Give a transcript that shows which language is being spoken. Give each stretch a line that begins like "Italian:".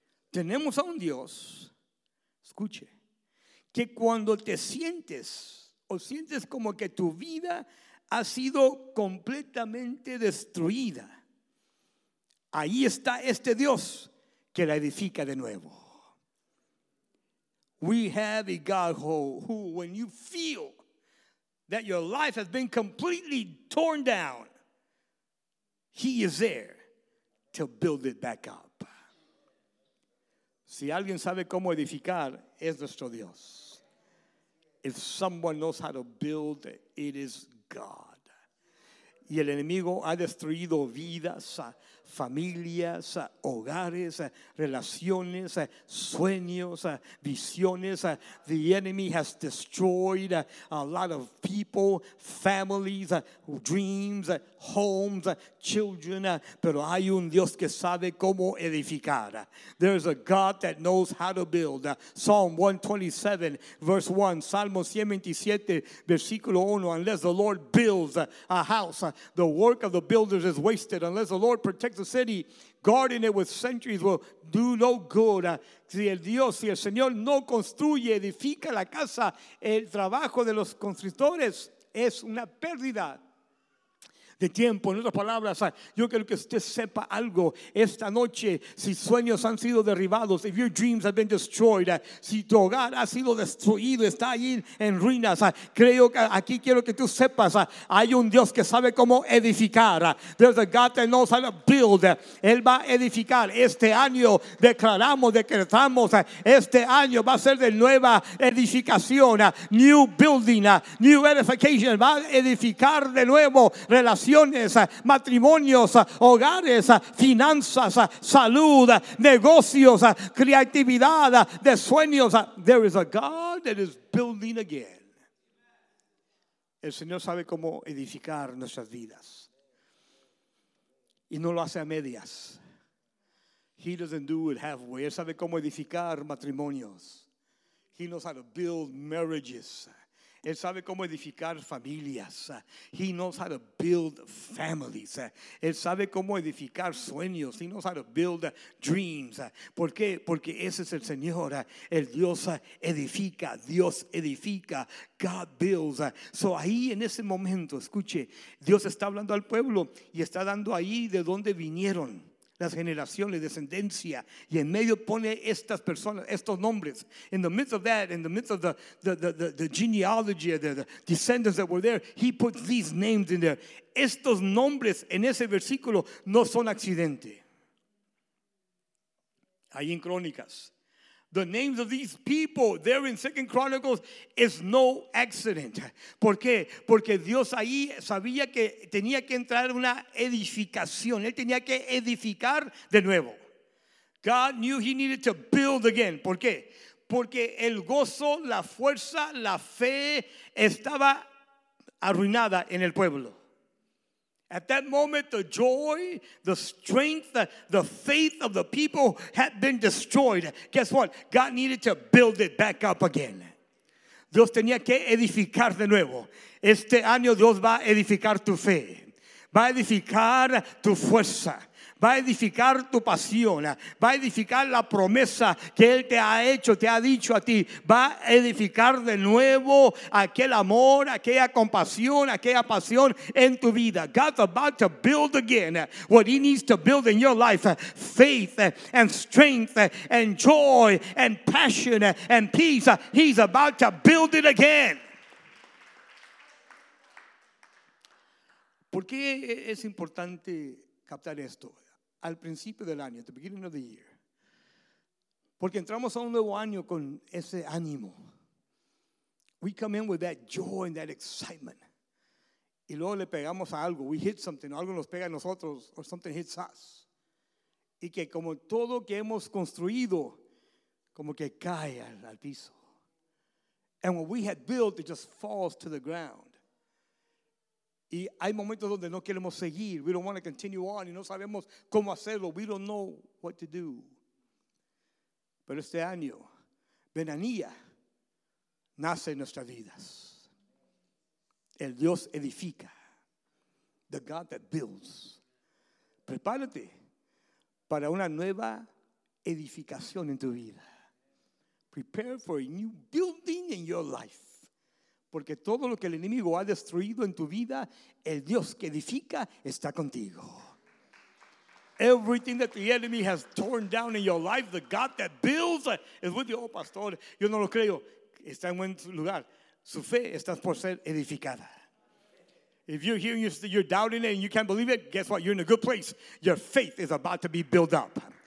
Spanish: Tenemos a un Dios, escuche, que cuando te sientes o sientes como que tu vida ha sido completamente destruida, ahí está este Dios que la edifica de nuevo.
English: We have a God who, when you feel that your life has been completely torn down, He is there to build it back up.
Spanish: Si alguien sabe cómo edificar, es nuestro Dios.
English: If someone knows how to build, it is God.
Spanish: Y el enemigo ha destruido vidas, familias, hogares, relaciones, sueños, visiones.
English: The enemy has destroyed a lot of people, families, dreams, homes, children.
Spanish: Pero hay un Dios que sabe cómo edificar.
English: There's a God that knows how to build. Psalm 127, verse 1.
Spanish: Salmo 127, versículo 1.
English: Unless the Lord builds a house, the work of the builders is wasted. Unless the Lord protects the city, guarding it with sentries will do no good.
Spanish: Si el Señor no construye, edifica la casa, el trabajo de los constructores es una pérdida de tiempo. En otras palabras, yo quiero que usted sepa algo esta noche. Si sueños han sido derribados,
English: if your dreams have been destroyed,
Spanish: si tu hogar ha sido destruido, está ahí en ruinas, creo que aquí quiero que tú sepas, hay un Dios que sabe cómo edificar.
English: There's a God that knows how to build.
Spanish: Él va a edificar. Este año decretamos, este año va a ser de nueva edificación,
English: new building, new edification.
Spanish: Va a edificar de nuevo relaciones, matrimonios, hogares, finanzas, salud, negocios, creatividad, de sueños.
English: There is a God that is building again.
Spanish: El Señor sabe cómo edificar nuestras vidas. y no lo hace a medias.
English: He doesn't do it halfway.
Spanish: Él sabe cómo edificar matrimonios.
English: He knows how to build marriages.
Spanish: Él sabe cómo edificar familias.
English: He knows how to build families.
Spanish: Él sabe cómo edificar sueños.
English: He knows how to build dreams.
Spanish: ¿Por qué? Porque ese es el Señor. El Dios edifica. Dios edifica.
English: God builds.
Spanish: So ahí en ese momento, escuche, Dios está hablando al pueblo y está dando ahí de dónde vinieron las generaciones, descendencia, y en medio pone estas personas, estos nombres.
English: In the midst of that, in the midst of the genealogy, the descendants that were there, he puts these names in there.
Spanish: Estos nombres en ese versículo no son accidente. Ahí en Crónicas.
English: The names of these people there in Second Chronicles is no accident.
Spanish: ¿Por qué? Porque Dios ahí sabía que tenía que entrar una edificación. Él tenía que edificar de nuevo.
English: God knew he needed to build again.
Spanish: ¿Por qué? Porque el gozo, la fuerza, la fe estaba arruinada en el pueblo.
English: At that moment, the joy, the strength, the faith of the people had been destroyed. Guess what? God needed to build it back up again.
Spanish: Dios tenía que edificar de nuevo. Este año Dios va a edificar tu fe. Va a edificar tu fuerza. Va a edificar tu pasión. Va a edificar la promesa que Él te ha hecho, te ha dicho a ti. Va a edificar de nuevo aquel amor, aquella compasión, aquella pasión en tu vida.
English: God's about to build again what He needs to build in your life. Faith and strength and joy and passion and peace. He's about to build it again.
Spanish: ¿Por qué es importante captar esto? Al principio del año,
English: at the beginning of the year.
Spanish: Porque entramos a un nuevo año con ese ánimo.
English: We come in with that joy and that excitement.
Spanish: Y luego le pegamos a algo.
English: We hit something.
Spanish: Algo nos pega a nosotros.
English: Or something hits us.
Spanish: Y que como todo que hemos construido, como que cae al piso.
English: And what we had built, it just falls to the ground.
Spanish: Y hay momentos donde no queremos seguir.
English: We don't want to continue on.
Spanish: Y no sabemos cómo hacerlo.
English: We don't know what to do.
Spanish: Pero este año, Benanía nace en nuestras vidas. El Dios edifica.
English: The God that builds.
Spanish: Prepárate para una nueva edificación en tu vida.
English: Prepare for a new building in your life.
Spanish: Porque todo lo que el enemigo ha destruido en tu vida, el Dios que edifica está contigo.
English: Everything that the enemy has torn down in your life, the God that builds is with you.
Spanish: Oh, pastor, yo no lo creo. Está en buen lugar. Su fe está por ser edificada.
English: If you're here and you're doubting it and you can't believe it, guess what? You're in a good place. Your faith is about to be built up.